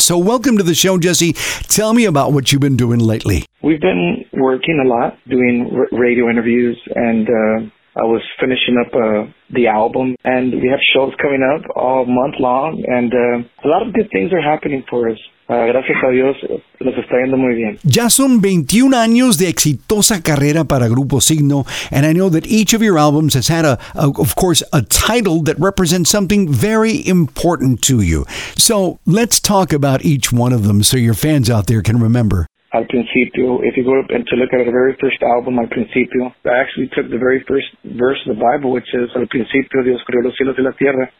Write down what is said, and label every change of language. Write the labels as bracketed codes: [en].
[en] So welcome to the show, Jesse. Tell me about what you've been doing lately. We've been working a lot, doing radio interviews, and I was finishing up the album, and we have shows coming up all month long, and a lot of good things are happening for us. [es] Gracias a Dios, nos está yendo muy bien. Ya son 21 años de exitosa carrera para Grupo Signo, [en] and I know that each of your albums has had a title that represents something very important to you. So let's talk about each one of them so your fans out there can remember. [es] Al Principio, if you go up and to look at our very first album, Al Principio, I actually took the very first verse of the Bible, which is Al Principio Dios creó los cielos y la tierra.